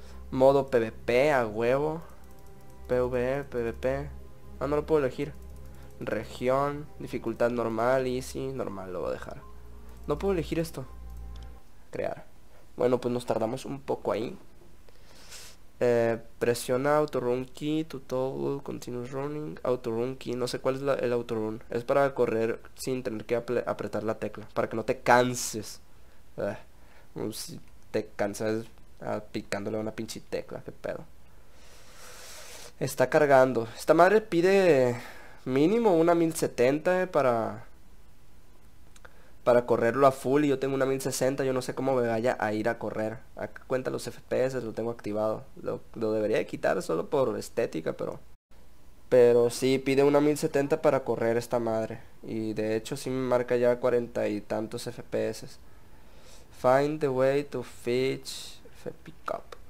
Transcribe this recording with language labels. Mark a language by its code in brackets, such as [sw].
[es] Modo PvP a huevo. PvE, PvP. Ah, no lo puedo elegir. Región, dificultad normal, easy. Normal, lo voy a dejar. No puedo elegir esto. Crear. Bueno, pues nos tardamos un poco ahí. Presiona [en] auto run key to toggle continuous running. [es] Auto run key, no sé cuál es el auto run. Es para correr sin tener que apretar la tecla. Para que no te canses. Si te cansas picándole una pinche tecla, qué pedo. Está cargando. Esta madre pide mínimo una 1070, para correrlo a full. Y yo tengo una 1060, yo no sé cómo me vaya a ir a correr. A cuenta los FPS, lo tengo activado. Lo debería de quitar solo por estética, pero. Pero sí, pide una 1070 para correr esta madre. Y de hecho sí me marca ya 40 y tantos FPS. [en] Find the way to fetch pickup.